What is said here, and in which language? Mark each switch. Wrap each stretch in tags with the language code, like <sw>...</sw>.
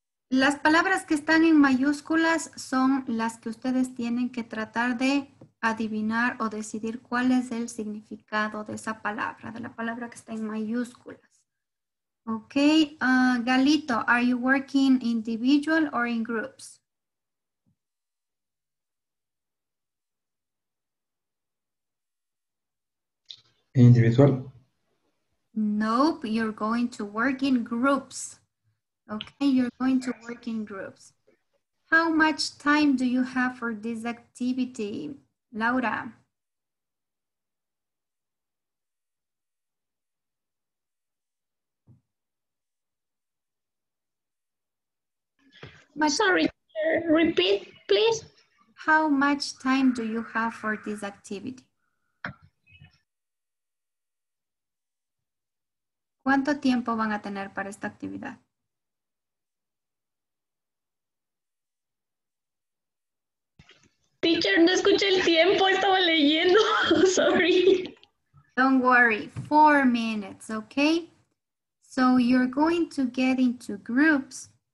<es>Las palabras que están en mayúsculas son las que ustedes tienen que tratar de adivinar o decidir cuál es el significado de esa palabra, de la palabra que está en mayúsculas.</es> <en>Ok. Galito, are you working individual or in groups? Individual? Nope, you're going to work in groups. Okay, you're going to work in groups. How much time do you have for this activity, Laura? Sorry, teacher. Repeat, please. How much time do you have for this activity?</en> <es>¿Cuánto tiempo van a tener para esta actividad? Teacher, no escuché el tiempo, estaba leyendo.</es> <en>Sorry. Don't worry, 4 minutes, okay? So you're going to get into groups.</en>